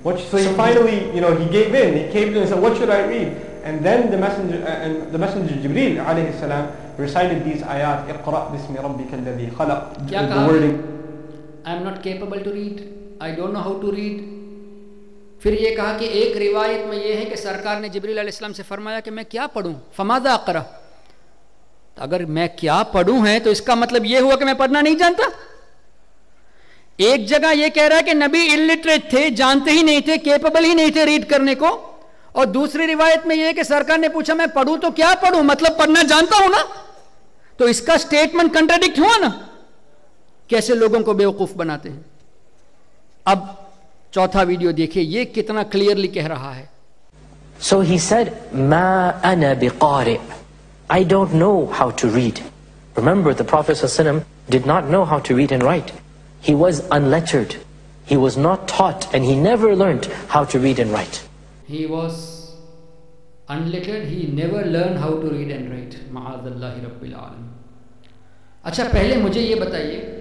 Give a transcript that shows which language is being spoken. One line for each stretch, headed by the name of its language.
English: So finally, you know, he caved in and said, what should I read? And then the messenger Jibreel alayhi salam recited these ayat,
Arabic: اقرأ بسم ربك الذي خلق.
English: The wording, I am not capable to read, I don't know how to read.
Urdu: پھر یہ کہا کہ ایک روایت میں یہ ہے کہ سرکار نے جبریل علیہ السلام سے فرمایا کہ میں کیا پڑھوں,
Arabic: فماذا اقرأ.
Urdu: اگر میں کیا پڑھوں ہے تو اس کا مطلب یہ ہوا کہ میں پڑھنا نہیں جانتا. ایک جگہ یہ کہہ رہا ہے کہ نبی illiterate تھے, جانتے ہی نہیں تھے, کیپیبل ہی نہیں تھے ریڈ کرنے کو, اور دوسری روایت میں یہ کہ سرکار نے پوچھا میں پڑھوں تو کیا پڑھوں, مطلب پڑھنا جانتا ہوں نا. تو اس کا اسٹیٹمنٹ کنٹراڈکٹ ہوا نا. کیسے لوگوں کو بیوقوف بناتے ہیں. اب چوتھا ویڈیو دیکھیے, یہ کتنا کلیئرلی کہہ رہا ہے.
English: so he said
Arabic: ما انا بقارئ,
English: I don't know how to read. Remember the Prophet صلی اللہ علیہ وسلم did not know how to read and write. He was unlettered. He was not taught and he never learned how to read and write. He was unlettered. He never learned how to read and write.
Arabic: Ma'azallahi rabbil alam.
Urdu: Achha, pehle mujhe ye bataiye.